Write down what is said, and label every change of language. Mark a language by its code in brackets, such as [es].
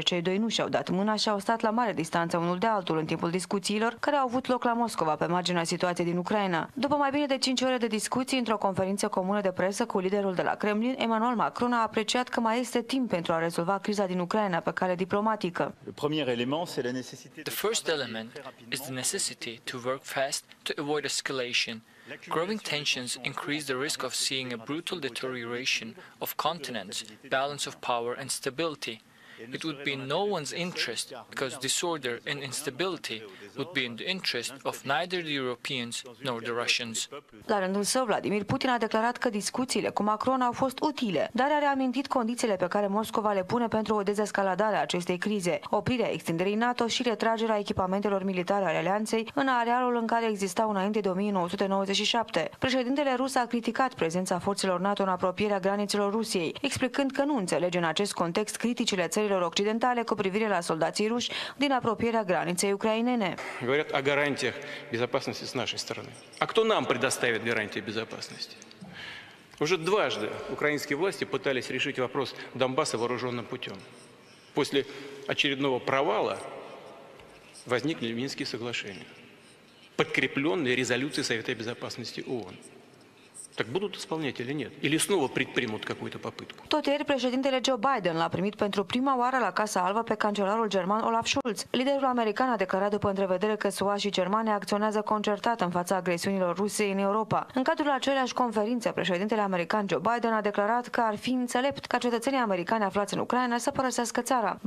[ro] Cei doi nu și-au dat mâna și au stat la mare distanță unul de altul în timpul discuțiilor care au avut loc la Moscova pe marginea situației din Ucraina. După mai bine de 5 ore de discuții într-o conferință comună de presă cu liderul de la Kremlin, Emmanuel Macron a apreciat că mai este timp pentru a rezolva criza din Ucraina pe cale diplomatică. [en] The first element is the necessity to work fast to avoid escalation. Growing tensions increase the risk of seeing a brutal deterioration of continents, balance of power and stability. It would be in no one's interest, because disorder and instability would be in the interest of neither the Europeans nor the Russians. [ro] La rândul său, Vladimir Putin a declarat că discuțiile cu Macron au fost utile, dar a reamintit condițiile pe care Moscova le pune pentru o dezescaladare a acestei crize, oprirea extinderii NATO și retragerea echipamentelor militare ale alianței în arealul în care existau înainte de 1997. Președintele rus a criticat prezența forțelor NATO în apropierea granițelor Rusiei, explicând că nu înțelege în acest context criticile țărilor occidentale cu privire la soldații ruși din apropierea graniței ucrainene. [ru] Говорят о гарантиях безопасности с нашей стороны. А кто нам предоставит гарантии безопасности? Уже дважды украинские власти пытались решить вопрос Донбасса вооруженным путем. После очередного провала возникли Минские соглашения, подкрепленные резолюцией Совета Безопасности ООН. Так будут исполнять или нет? Или снова предпримут какую-то попытку? [ro] Tot ieri, președintele Joe Biden l-a primit pentru prima oară la Casa Albă pe cancelarul german Olaf Scholz. Liderul american a declarat după întrevedere că SUA și Germania acționează concertat în fața agresiunilor Rusiei în Europa. În cadrul aceleași conferințe, președintele american Joe Biden a declarat că ar fi înțelept ca cetățenii americani aflați în Ucraina să părăsească țara.